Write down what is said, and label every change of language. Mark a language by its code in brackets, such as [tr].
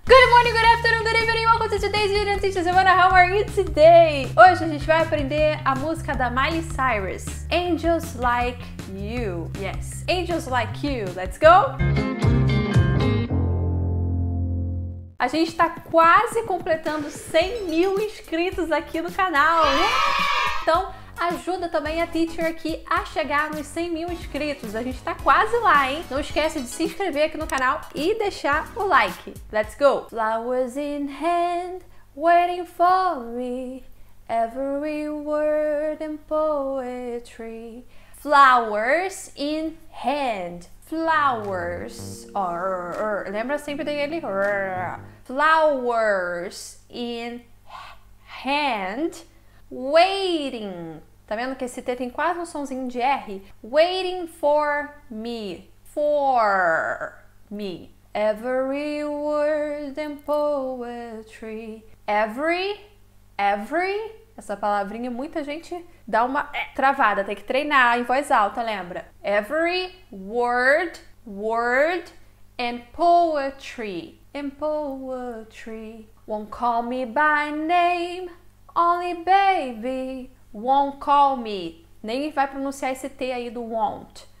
[en] Good morning, good afternoon, good evening, welcome to today's video. [pt] Antes da semana, [en] how are you today? [pt] Hoje a gente vai aprender a música da Miley Cyrus, Angels Like You. [en] Yes, Angels Like You. Let's go! [pt] A gente está quase completando 100 mil inscritos aqui no canal, né? Então, ajuda também a teacher aqui a chegar nos 100 mil inscritos. A gente está quase lá, hein? Não esquece de se inscrever aqui no canal e deixar o like. [en] Let's go! Flowers in hand, waiting for me. Every word and poetry. Flowers in hand. Flowers. [pt] Lembra sempre dele? [en] Flowers in hand, waiting. [pt] Tá vendo que esse T tem quase um sonzinho de R? [en] Waiting for me. For me. Every word and poetry. Every, every. [pt] Essa palavrinha muita gente dá uma travada. Tem que treinar em voz alta, lembra? [en] Every word, word and poetry. In poetry. Won't call me by name, only baby. Won't call me. [pt] Nem vai pronunciar esse T aí do won't.